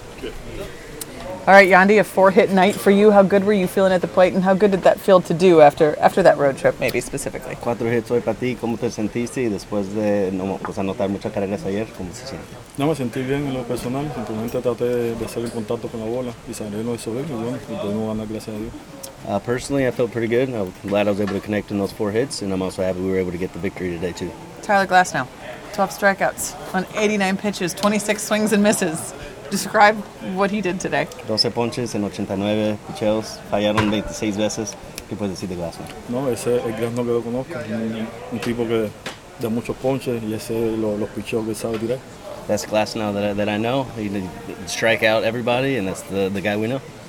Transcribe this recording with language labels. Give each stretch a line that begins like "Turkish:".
English: All right, Yandy, a four-hit night for you. How good were you feeling at the plate, and how good did that feel to do after that road trip, maybe specifically?
Spanish: Cuatro hits hoy para ti. ¿Cómo te sentiste después de anotar muchas carreras ayer? ¿Cómo se siente? No, me sentí bien en lo personal. Simplemente traté de hacer en contacto con la bola y salir de eso bien, y pudimos ganar, gracias a Dios.
English: Personally, I felt pretty good. I'm glad I was able to connect in those four hits, and I'm also happy we were able to get the victory today, too. Tyler Glasnow, 12 strikeouts on 89 pitches, 26 swings and misses. Describe what he did today.
Spanish: 12 ponches en 89 picheos, fallaron 26 veces. ¿Qué puedes decir de Glasnow? No, ese es el Glasnow que lo conozco, un tipo que da muchos ponches y ese es los picheos que sabe tirar.
English: That's Glasnow that I know. He did strike out everybody, and that's the guy we know.